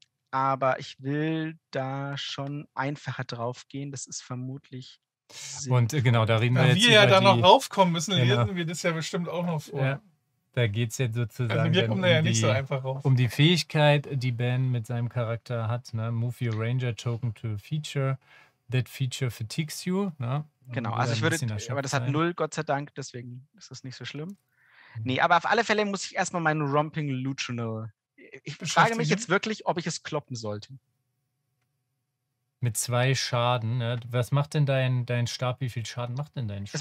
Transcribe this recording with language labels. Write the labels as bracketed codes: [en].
[de] Aber ich will da schon einfacher drauf gehen. Das ist vermutlich sinnvoll. Und genau, da reden wir jetzt. Wir ja da noch raufkommen müssen, genau. Lesen wir das ja bestimmt auch noch vor. Ja, da geht es jetzt sozusagen. Also wir kommen da ja nicht so einfach rauf. Um die Fähigkeit, die Ben mit seinem Charakter hat, ne? [en] Move your Ranger Token to a feature. That feature fatigues you. [de] Ne? Genau, also ich würde, aber das hat null, Gott sei Dank, deswegen ist das nicht so schlimm. Nee, aber auf alle Fälle muss ich erstmal meinen Romping Lutronel. Ich frage mich jetzt wirklich, ob ich es kloppen sollte. Mit 2 Schaden. Ne? Was macht denn dein Stab? Wie viel Schaden macht denn dein Stab?